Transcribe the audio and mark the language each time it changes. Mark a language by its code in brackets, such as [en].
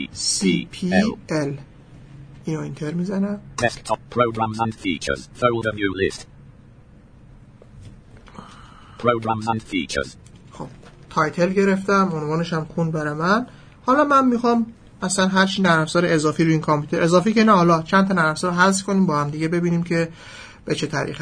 [fa] C P L اینو اینتر می‌زنم. [en] Desktop programs and features folder view list programs and features. [fa] خب تایتل گرفتم، عنوانش هم خون برای من. حالا من می‌خوام اصلا هرچی نرم‌افزار اضافی روی این کامپیوتر اضافی که نه، حالا چند تا نرم‌افزار رو حذف کنیم با هم دیگه ببینیم که به چه طریق